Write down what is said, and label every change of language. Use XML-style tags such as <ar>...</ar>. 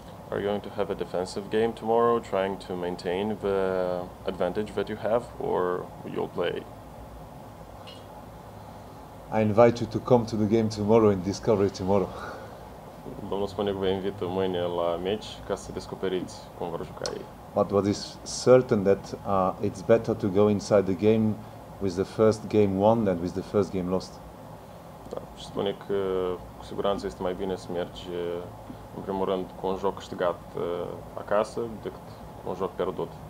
<en>Are you going to have a defensive game tomorrow, trying to maintain the advantage that you have, or you'll play? I invite you to come to the game tomorrow and discover it tomorrow.</en> <ro>Domnul spune că vă invită mâine la meci ca să descoperiți cum vor juca ei.</ro> <en>But what is certain that it's better to go inside the game with the first game won than with the first game lost.</en> <ro>Da, și spune că cu siguranță este mai bine să mergi în primul rând cu un joc câștigat acasă decât un joc pierdut.</ro>